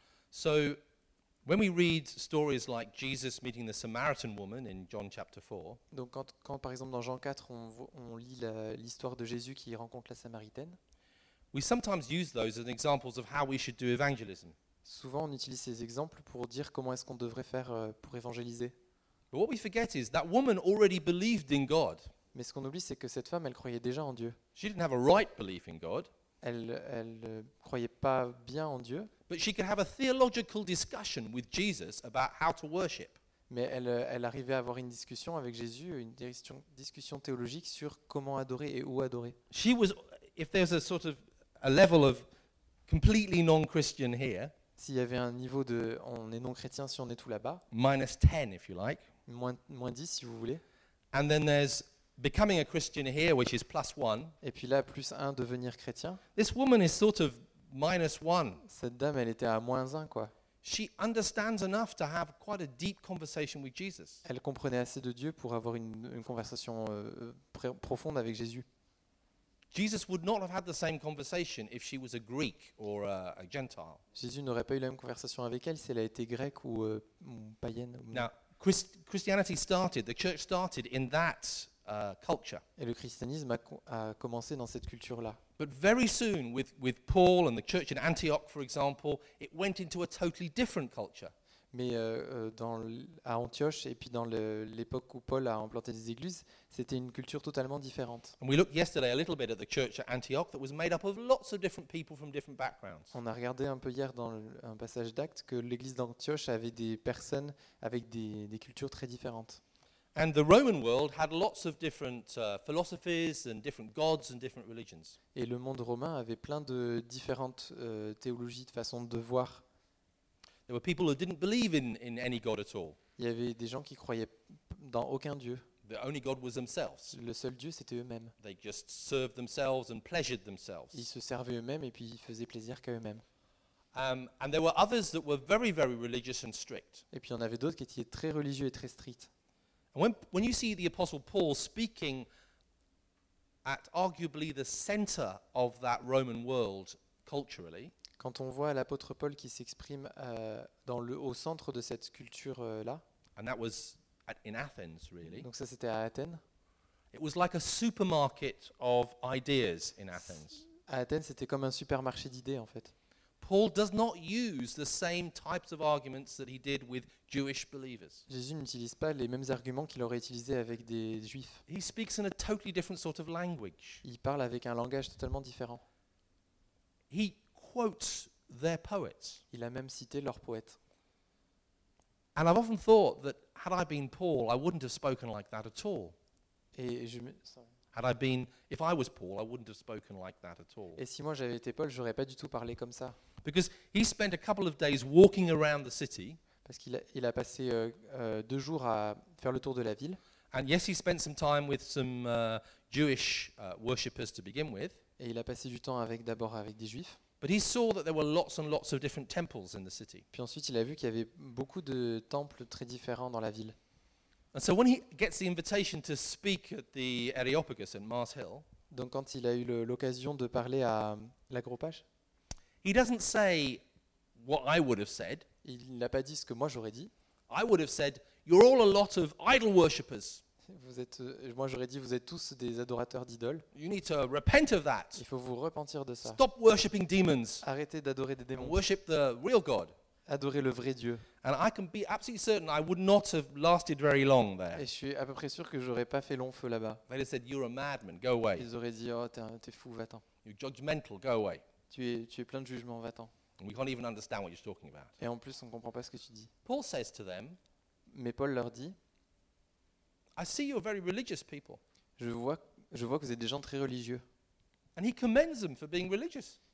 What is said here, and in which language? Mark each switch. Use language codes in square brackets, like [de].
[en] So, when we read stories like Jesus meeting the Samaritan woman in John chapter 4, [fr] donc quand par exemple dans Jean 4, on lit l'histoire de Jésus qui rencontre la Samaritaine, [en] we sometimes use those as examples of how we should do evangelism. [fr] Souvent, on utilise ces exemples pour dire comment est-ce qu'on devrait faire pour évangéliser. [en] But what we forget is that woman already believed in God. [fr] Mais ce qu'on oublie, c'est que cette femme, elle croyait déjà en Dieu. [en] She didn't have a right belief in God. [fr] Elle ne croyait pas bien en Dieu. [en] But she could have a theological discussion with Jesus about how to worship. [fr] Mais elle arrivait à avoir une discussion avec Jésus, une discussion théologique sur comment adorer et où adorer. [en] She was, if there's a sort of a level of completely non-Christian here. [fr] S'il y avait un niveau de, on est non-chrétien si on est tout là-bas. [en] Minus 10, if you like. [fr] Moins 10, si vous voulez. [en] And then there's becoming a Christian here, which is plus 1. [fr] Et puis là, plus 1, devenir chrétien. [en] This woman is sort of minus 1. [fr] Cette dame, elle était à moins 1, quoi. [en] She understands enough to have quite a deep conversation with Jesus. [fr] Elle comprenait assez de Dieu pour avoir une conversation profonde avec Jésus. [en] Jesus would not have had the same conversation if she was a Greek or a Gentile. [fr] Jésus n'aurait pas eu la même conversation avec elle si elle a été grecque ou païenne. [en] Now, Christianity started, the church started in that culture. [fr] Et le christianisme a commencé dans cette culture-là. [en] But very soon, with Paul and the church in Antioch, for example, it went into a totally different culture. [fr] Mais à Antioche et puis dans l'époque où Paul a implanté des églises, c'était une culture totalement différente. [en] And we looked yesterday a little bit at the church at Antioch that was made up of lots of different people from different backgrounds. [fr] On a regardé un peu hier dans un passage d'Actes que l'église d'Antioche avait des personnes avec des cultures très différentes. [en] And the Roman world had lots of different philosophies and different gods and different religions. [fr] Et le monde romain avait plein de différentes théologies de façon de voir. [en] There were people who didn't believe in any god at all. [fr] Il y avait des gens qui croyaient dans aucun dieu. [en] The only god was themselves. [fr] Le seul dieu c'était eux-mêmes. [en] They just served themselves and pleasured themselves. [fr] Ils se servaient eux-mêmes et puis ils faisaient plaisir qu'à eux-mêmes. [en] And there were others that were very very religious and strict. [fr] Et puis il y en avait d'autres qui étaient très religieux et très stricts. [en] And when you see the apostle Paul speaking at arguably the center of that Roman world culturally, [fr] quand on voit l'apôtre Paul qui s'exprime au centre de cette culture-là, [en] and that was in Athens, really. [fr] Donc ça c'était à Athènes. [en] It was like a supermarket of ideas in Athens. [fr] À Athènes, c'était comme un supermarché d'idées en fait. [en] Paul does not use the same types of arguments that he did with Jewish believers. [fr] Jésus n'utilise pas les mêmes arguments qu'il aurait utilisé avec des juifs. [en] He speaks in a totally different sort of language. [fr] Il parle avec un langage totalement différent. [en] He quotes their poets. [fr] Il a même cité leurs poètes. [en] And I've often thought that had I been Paul, I wouldn't have spoken like that at all. If I was Paul, I wouldn't have spoken like that at all. [fr] Et si moi j'avais été Paul, j'aurais pas du tout parlé comme ça. [en] Because he spent a couple of days walking around the city. [fr] Parce qu'il a passé deux jours à faire le tour de la ville. [en] And yes, he spent some time with some Jewish worshippers to begin with. [fr] Et il a passé du temps d'abord avec des juifs. [en] But he saw that there were lots and lots of different temples in the city. [fr] Puis ensuite, il a vu qu'il y avait beaucoup de temples très différents dans la ville. [en] And so when he gets the invitation to speak at the Areopagus in Mars Hill, [fr] donc quand il a eu l'occasion de parler à l'Agropage, [en] he doesn't say what I would have said. [fr] Il n'a pas dit ce que moi j'aurais dit. [en] I would have said, "You're all a lot of idol worshippers." [fr] Moi j'aurais dit, vous êtes tous des adorateurs d'idoles. [en] You need to repent of that. [fr] Il faut vous repentir de ça. [en] Stop worshipping demons. [fr] Arrêtez d'adorer des démons. [en] Worship the real God. [fr] Adorer le vrai Dieu. [en] And I can be absolutely certain I would not have lasted very long there. [fr] Et je suis à peu près sûr que j'aurais pas fait long feu là-bas. [en] They'd have said, "You're a madman. Go away." [fr] Ils auraient dit, oh, t'es fou, va-t'en. [en] You're judgmental. Go away. [fr] Tu es plein de jugement, va-t'en. [en] We can't even understand what you're talking about. [fr] Et en plus, on comprend pas ce que tu dis. [en] Paul says to them, [fr] mais Paul leur dit, [en] "I see you're very religious people." [fr] Je vois que vous êtes des gens très religieux. [en] And he commends them for being religious.